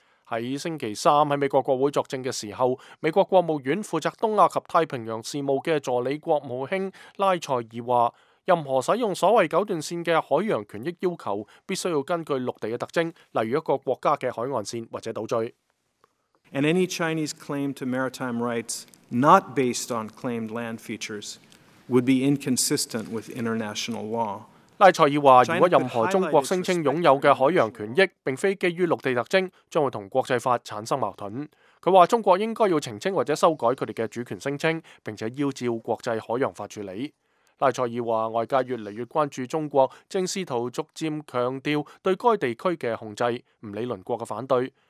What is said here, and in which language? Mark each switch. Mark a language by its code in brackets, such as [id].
[zh] 在星期三在美国国会作证的时候，美国国务院负责东亚及太平洋事务的助理国务卿拉塞尔说，任何使用所谓九段线的海洋权益要求必须要根据陆地的特征，例如一个国家的海岸线或者岛屿。 [en] And any Chinese claim to maritime rights not based on claimed land features would be inconsistent with international law。 [zh] 拉塞爾說，如果任何中國聲稱擁有的海洋權益並非基於陸地特徵，將會與國際法產生矛盾。他說中國應該要澄清或者修改他們的主權聲稱，並且依照國際海洋法處理。拉塞爾說，外界越來越關注中國正試圖逐漸強調對該地區的控制，不理鄰國的反對。